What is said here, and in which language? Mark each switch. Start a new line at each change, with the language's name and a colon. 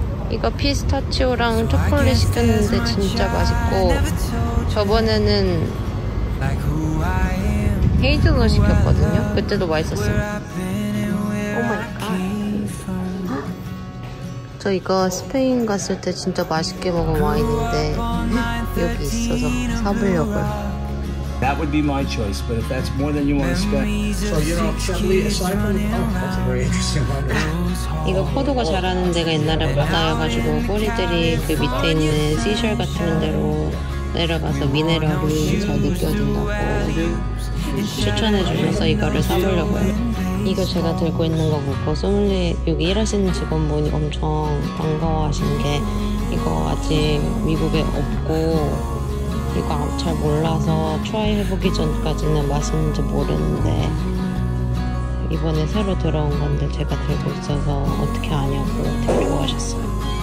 Korean: 이거 피스타치오랑 초콜릿 시켰는데 진짜 맛있고 저번에는 헤이즐넛 시켰거든요. 그때도 맛있었어요. 저 이거 스페인 갔을 때 진짜 맛있게 먹은 와인인데 여기 있어서 사보려고요.
English: That would be my choice, but if that's more than you want to spend. So you know, Chablis, aside from the pump, that's a very interesting one.
Korean: 이거 포도가 자라는 데가 옛날에 바다여가지고 꼬리들이 그 밑에 있는 시셜 같은 데로 내려가서 미네랄이 잘 느껴진다고 추천해 주셔서 이거를 사보려고요. 이거 제가 들고 있는 거 보고 소믈리에 여기 일하시는 직원분이 엄청 반가워하신 게 이거 아직 미국에 없고 이거 잘 몰라서 트라이 해보기 전까지는 맛있는지 모르는데 이번에 새로 들어온 건데 제가 들고 있어서 어떻게 아냐고 데려오셨어요.